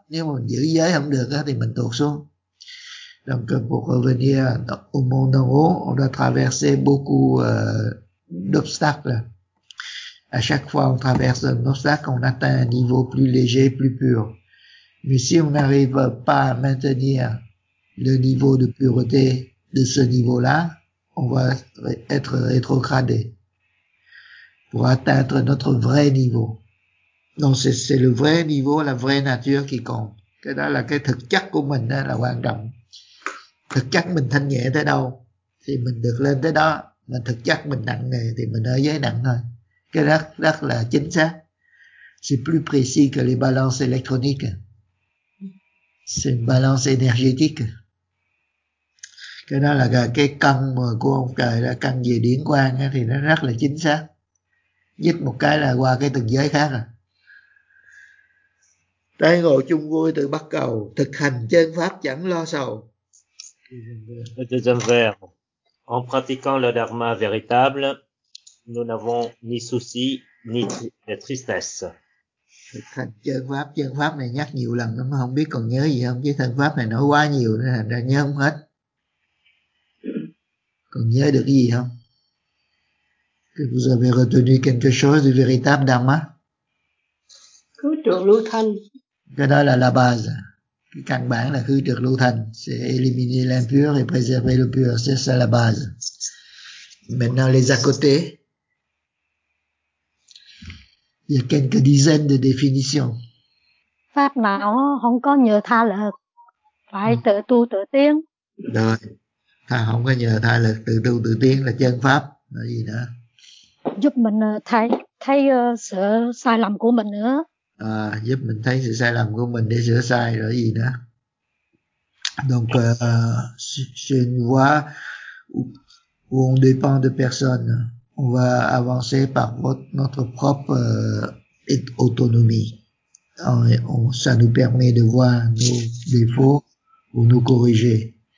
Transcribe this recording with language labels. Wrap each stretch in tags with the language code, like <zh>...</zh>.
<vi>Nếu mà mình giữ giới không được thì mình tuột xuống.</vi> <fr>Donc pour revenir au monde en haut, on doit traverser beaucoup d'obstacles. À chaque fois on traverse un obstacle, on atteint un niveau plus léger, plus pur. Mais si on n'arrive pas à maintenir le niveau de pureté de ce niveau-là, on va être rétrogradé pour atteindre notre vrai niveau. Donc c'est le vrai niveau, la vraie nature qui compte.</fr> <vi>Cái đó là cái thực chất của mình đó là quan trọng. Thực chất mình thanh nhẹ tới đâu thì mình được lên tới đó, mà thực chất mình nặng nề thì mình ở giới nặng thôi. Cái đó rất là chính xác.</vi> <fr>C'est plus précis que les balances électroniques. C'est une balance énergétique.</fr> <vi>Cái đó là cái cân của ông trời, là cân về điển quang ấy, thì nó rất là chính xác. Nhích một cái là qua cái từng giới khác à. Tái ngộ chung vui từ bắt cầu, thực hành chân pháp chẳng lo sầu.</vi> <fr>Le deuxième vers. En pratiquant le dharma véritable, nous n'avons ni soucis ni tristesse.</fr> <vi>Chân pháp này nhắc nhiều lần nó không biết còn nhớ gì không, chứ thân pháp này nói quá nhiều nên là nhớ không hết. Còn nhớ được cái gì không?</vi> <fr>Que vous avez retenu quelque chose du véritable dharma?</fr> <vi>Khứ trược lưu thanh. Cái đó là</vi> <fr>la base.</fr> <vi>Cái căn bản là khứ trược lưu thanh.</vi> <fr>C'est éliminer l'impur et préserver le pur. C'est ça la base. Maintenant les à côté. Il y a quelques dizaines de définitions.</fr> <vi>Pháp nào không có nhờ tha lực, phải tự tu tự tiến. Rồi, tha không có nhờ tha lực, tự tu tự tiến là chân pháp, là gì nữa? Giúp mình thấy sự sai lầm của mình nữa. À, giúp mình thấy sự sai lầm của mình để sửa sai, rồi gì nữa?</vi> <fr>Donc, c'est une voie où on dépend de personne. On va avancer par notre propre autonomie. Ça nous permet de voir nos défauts ou nous corriger.</fr>